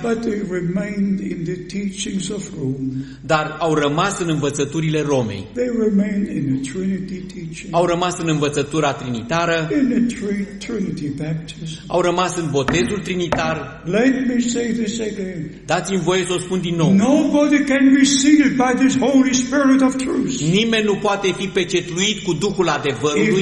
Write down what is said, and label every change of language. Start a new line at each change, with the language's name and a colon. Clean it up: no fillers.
English: But they remained in the teachings of Rome.
Romanian: Dar au rămas în învățăturile Romei.
English: They remained in the Trinity teaching.
Romanian: Au rămas în învățătura trinitară.
English: In the Trinity baptism.
Romanian: Au rămas în botezul trinitar.
English: Let me say this again.
Romanian: Dați-mi voie să o spun din nou.
English: Nobody can be sealed by this Holy Spirit of truth.
Romanian: Nimeni nu poate fi pecetluit cu Duhul adevărului.